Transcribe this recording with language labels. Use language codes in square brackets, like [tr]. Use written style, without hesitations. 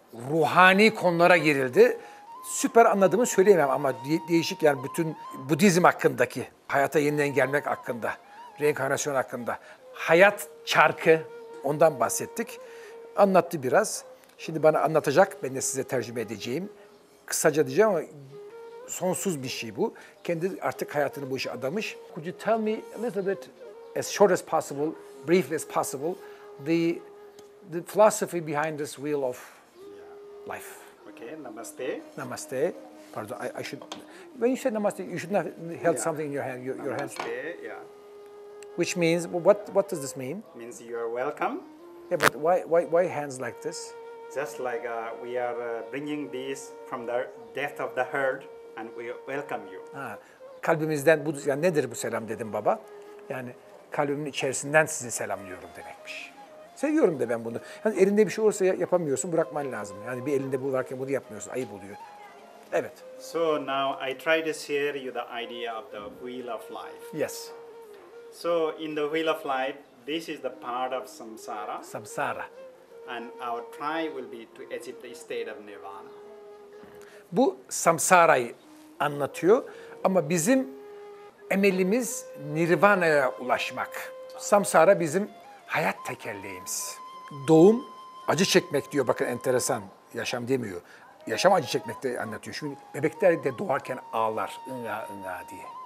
[tr] Ruhani konulara girildi. Süper anladığımı söyleyemem ama değişik, yani bütün Budizm hakkındaki, hayata yeniden gelmek hakkında, reenkarnasyon hakkında, hayat çarkı, ondan bahsettik. Anlattı biraz. Şimdi bana anlatacak, ben de size tercüme edeceğim. Kısaca diyeceğim ama sonsuz bir şey bu. Kendi artık hayatını bu işe adamış. [en] Could you tell me a little bit, as short as possible, brief as possible, the philosophy behind this wheel of life. Okay, namaste. Namaste. Pardon, I should... When you say namaste, you shouldn't have held something in your hand. Your namaste, hands. Yeah. Which means, what does this mean? Means you are welcome. Yeah, but why hands like this? Just like we are bringing these from the depth of the herd and we welcome you. [tr] Ha, kalbimizden, bu, yani nedir bu selam dedim baba? Yani kalbimin içerisinden sizi selamlıyorum demekmiş. Seviyorum da ben bunu. Yani elinde bir şey olursa yapamıyorsun, bırakman lazım. Yani bir elinde bularken bunu yapmıyorsun, ayıp oluyor. Evet. [en] So now I try to share you the idea of the wheel of life. Yes. So in the wheel of life, this is the part of samsara. Samsara. and our try will be to achieve the state of nirvana. [tr] Bu samsara'yı anlatıyor ama bizim emelimiz nirvana'ya ulaşmak. Samsara bizim hayat tekerleğimiz. Doğum acı çekmek diyor, bakın enteresan, yaşam demiyor. Yaşam acı çekmek de anlatıyor. Şimdi bebekler de doğarken ağlar, ınga ınga diye.